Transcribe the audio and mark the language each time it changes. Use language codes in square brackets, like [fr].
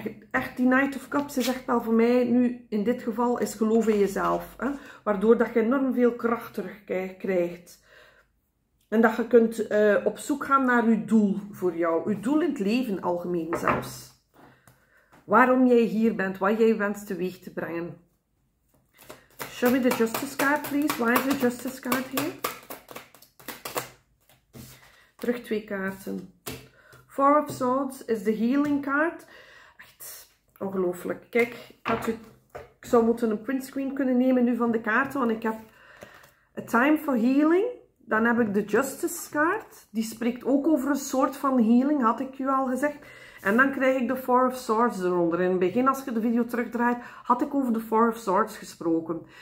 [nl] Echt, die Knight of Cups is echt wel voor mij nu, in dit geval, is geloof in jezelf. Hè? Waardoor dat je enorm veel kracht terugkrijgt. En dat je kunt op zoek gaan naar je doel voor jou. Je doel in het leven algemeen zelfs. Waarom jij hier bent, wat jij wenst teweeg te brengen. [en] Show me the Justice card, please. Why is the Justice card here? [nl] Terug twee kaarten. Four of Swords is de healing card. Echt ongelooflijk. Kijk, ik zou moeten een printscreen kunnen nemen nu van de kaarten. Want ik heb A Time for Healing. Dan heb ik de Justice card. Die spreekt ook over een soort van healing, had ik u al gezegd. En dan krijg ik de Four of Swords eronder. In het begin, als je de video terugdraait, had ik over de Four of Swords gesproken.